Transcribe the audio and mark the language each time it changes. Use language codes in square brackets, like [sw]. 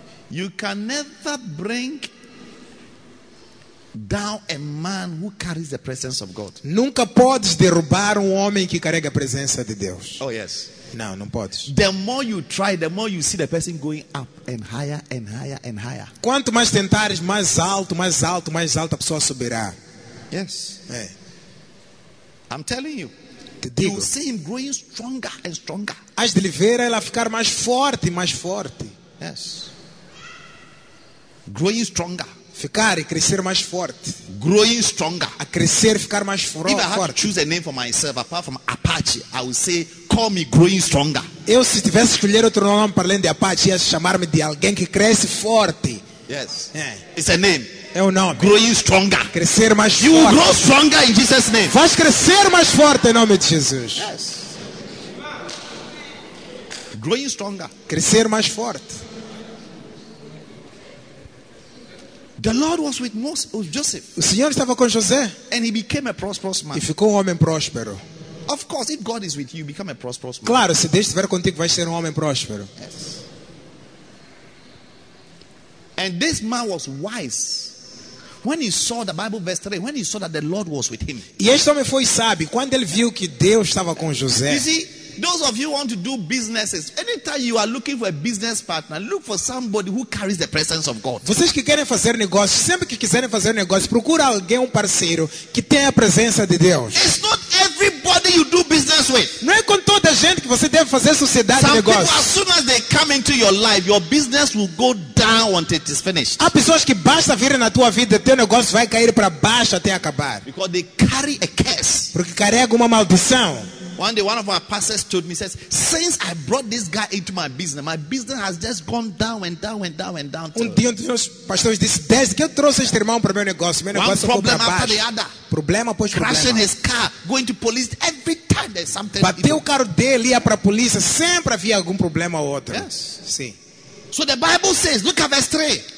[en] You can never bring down a man who carries the presence of God. [pt] Nunca podes derrubar homem que carrega a presença de Deus. [en] Oh yes. [pt] Não, não podes. [en] The more you try, the more you see the person going up and higher and higher and higher. [pt] Quanto mais tentares, mais alto, mais alto, mais alto a pessoa subirá. [en] Yes. [pt] É. [en] I'm telling you. [pt] Digo, [en] you will see him growing stronger and stronger. [pt] Hás de lhe ver ela ficar mais forte e mais forte. [en] Yes. Growing stronger. [pt] Ficar e crescer mais forte. [en] Growing stronger. [pt] A crescer, ficar mais forte. [en] If I had to choose a name for myself apart from Apache, I would say, call me growing stronger. [pt] Eu, se tivesse escolher outro nome para além de Apache, ia chamar-me de alguém que cresce forte. [en] Yes. It's a name. [pt] É o nome. [en] Growing stronger. [pt] Crescer mais forte. [en] You will grow stronger in Jesus' name. [pt] Vais crescer mais forte em nome de Jesus. [en] Yes. Growing stronger. [pt] Crescer mais forte. [en] The Lord was with Joseph. [pt] O Senhor estava com José. [en] And he became a prosperous man. [pt] E ficou um homem próspero. [en] Of course, if God is with you, become a prosperous man. [pt] Claro, se Deus estiver contigo, vai ser um homem próspero. [en] Yes. And this man was wise. When he saw the Bible verse 3, when he saw that the Lord was with him. [pt] E este homem foi sábio quando ele viu que Deus estava com José. [en] You see, those of you who want to do businesses, anytime you are looking for a business partner, look for somebody who carries the presence of God. [pt] Vocês que querem fazer negócio, sempre que quiserem fazer negócio, procura alguém, um parceiro que tenha a presença de Deus. [en] It's not everybody you do business with. [pt] Não é com toda a gente que você deve fazer sociedade de negócio. [en] Some people, as soon as they come into your life, your business will go down until it is finished. [pt] Há pessoas que basta virem na tua vida, teu negócio vai cair para baixo até acabar. [en] Because they carry a curse. [pt] Porque carregam uma maldição. [en] One day, one of our pastors told me, says, since I brought this guy into my business has just gone down and down and down and down. [pt] Um dia, os pastores disse, desde que eu trouxe este irmão para meu negócio [en] one problem after the other. [pt] Problema após [en] crashing [pt] problema. [en] Crashing his car, going to police every time there's something. [pt] Bateu o carro dele, ia para a polícia, sempre havia algum problema ou outro. [en] Yes. [pt] Sim. [en] So the Bible says, look at verse 3.